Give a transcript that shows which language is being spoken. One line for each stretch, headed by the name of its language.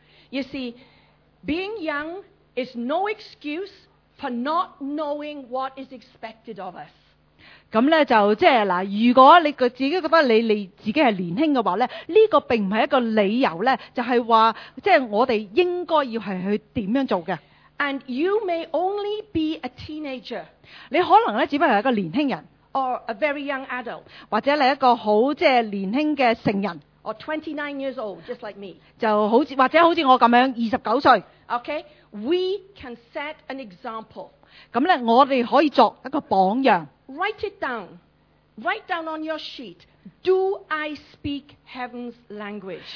English: You see, being young is no excuse for not knowing what is expected of us.
Cantonese: 咁咧就即系嗱，如果你自己觉得你自己系年轻嘅话咧，呢、这个并唔系一个理由咧，就系话即系我哋应该要系去点样做嘅。
English: And you may only be a teenager.
Cantonese: 你可能咧只不过系一个年轻人
English: ，or a very young adult，
Cantonese: 或者你一个好即系年轻嘅成人。
English: Or 29 years old, just like me.
Cantonese: 就好似或者好似我咁样，二十九岁。
English: Okay, we can set an example.
Cantonese: 咁咧，我哋可以作一个榜样。
English: Write it down. Write down on your sheet. Do I speak heaven's language?